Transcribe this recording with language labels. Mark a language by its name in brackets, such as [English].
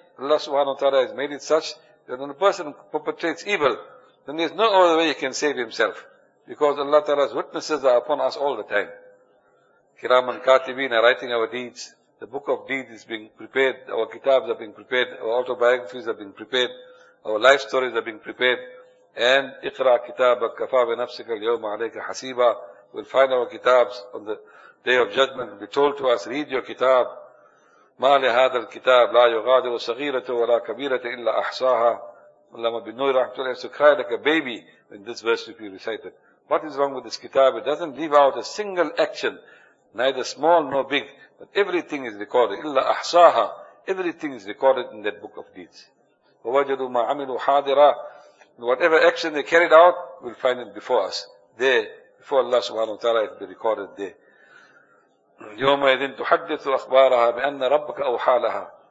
[English] Allah subhanahu wa ta'ala has made it such that when a person perpetrates evil, then there is no other way he can save himself. Because Allah ta'ala's witnesses are upon us all the time. Kiram and Katibin are writing our deeds. The book of deeds is being prepared. Our kitabs are being prepared. Our autobiographies are being prepared. Our life stories are being prepared. [Arabic] And اقرأ كتابك كفى بنفسك اليوم عليك حسيبا. [English] We'll find our kitabs on the day of judgment. Be told to us, read your kitab. [Arabic] ما لهذا الكتاب لا يغادر صغيرة ولا كبيرة إلا أحصاها. اللهم بنور رحمة الله. [English] So cry like a baby when this verse will be recited. What is wrong with this kitab? It doesn't leave out a single action, neither small nor big. But everything is recorded. [Arabic] إلا أحصاها. [English] Everything is recorded in that book of deeds. [Arabic] ووجدوا ما عملوا حاضرا. [English] Whatever action they carried out, we'll find it before us. There, before Allah subhanahu wa ta'ala, it will be recorded there. [Arabic] يَوْمَ يَذِنْ تُحَدِّثُ أَخْبَارَهَا بِأَنَّ رَبَّكَ أَوْحَالَهَا.